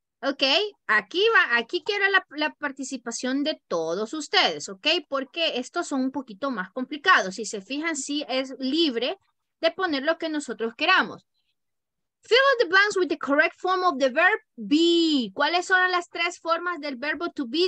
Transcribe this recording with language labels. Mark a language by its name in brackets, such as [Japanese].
[Spanish] Ok, aquí va, aquí quiero la participación de todos ustedes, ok, porque estos son un poquito más complicados. Si se fijan, sí es libre de poner lo que nosotros queramos. [English] Fill the blanks with the correct form of the verb be. [Spanish] ¿Cuáles son las tres formas del verbo to be?